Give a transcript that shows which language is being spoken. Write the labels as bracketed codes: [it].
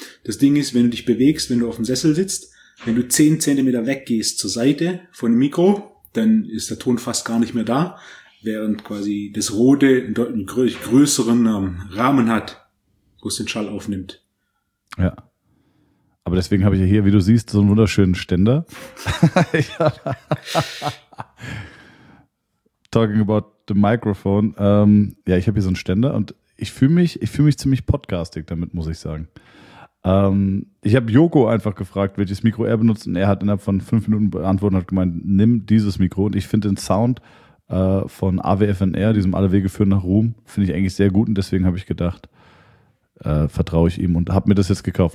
[de] Das Ding ist, wenn du dich bewegst, wenn du auf dem Sessel sitzt, wenn du 10 cm weggehst zur Seite von dem Mikro, dann ist der Ton fast gar nicht mehr da, während quasi das Rode einen deutlich größeren Rahmen hat, wo es den Schall aufnimmt. Ja, aber deswegen habe ich ja hier, wie du siehst, so einen wunderschönen Ständer. [en] Talking about the microphone. [de] Ja, ich habe hier so einen Ständer und ich fühle mich ziemlich podcastig damit, muss ich sagen. Ich habe Joko einfach gefragt, welches Mikro er benutzt und er hat innerhalb von 5 Minuten beantwortet und hat gemeint, nimm dieses Mikro. Und ich finde den Sound von AWFNR, diesem Alle Wege führen nach Ruhm, finde ich eigentlich sehr gut und deswegen habe ich gedacht, vertraue ich ihm und habe mir das jetzt gekauft.